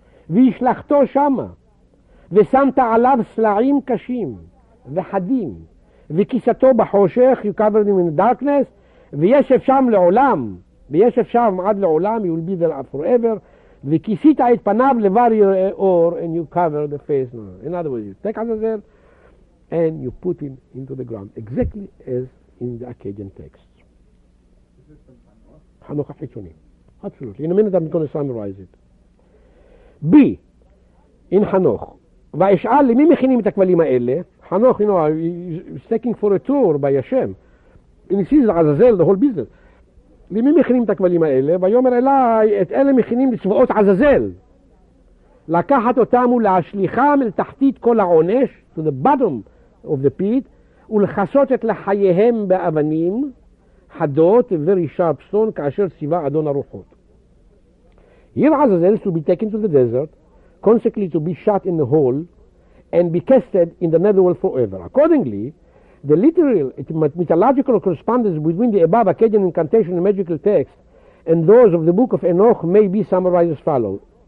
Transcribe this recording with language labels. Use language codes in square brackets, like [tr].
[he] וישלחתו שמה, ושמת עליו סלעים קשים וחדים, וכיסתו בחושך, [en] you covered him in the darkness, [he] וישב שם לעולם, וישב שם עד לעולם, [en] you will be there forever, [he] וכיסית את פניו לבר יראה אור, [en] and you cover the face, no. In other words, you take out of there, and you put him into the ground, exactly as in the Akkadian texts. Hanukkah Hitchonim. Absolutely. In a minute I'm going to summarize it. B, in Hanukkah, [he] וישאל למי מכינים את הכבלים האלה? [en] Hanukkah, you know, he's taking for a tour by Hashem. And he sees the Azazel, the whole business. [he] למי מכינים את הכבלים האלה? ויאמר אליי, את אלה מכינים לצבאות Azazel. לקחת אותם ולהשליחם אל תחתית כל העונש, [en] to the bottom of the pit, [he] ולחסות את לחייהם באבנים חדות, [en] very sharp stone, [he] כאשר ציווה אדון הרוחות. [en] Here Azazel is to be taken to the desert, consequently to be shot in the hole, and be casted in the netherworld forever. Accordingly, the literal mythological correspondence between the above Akkadian incantation and magical text and those of the book of Enoch may be summarized as follows.